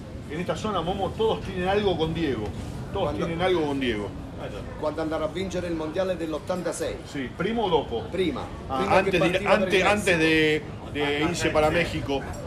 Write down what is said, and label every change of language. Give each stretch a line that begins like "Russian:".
Spanish: En esta zona Momo todos tienen algo con Diego. Tienen algo con Diego.
Italian: Quando andare a vincere il mondiale dell'86? Sì, prima o dopo? Prima.
Spanish: Antes de irse para México.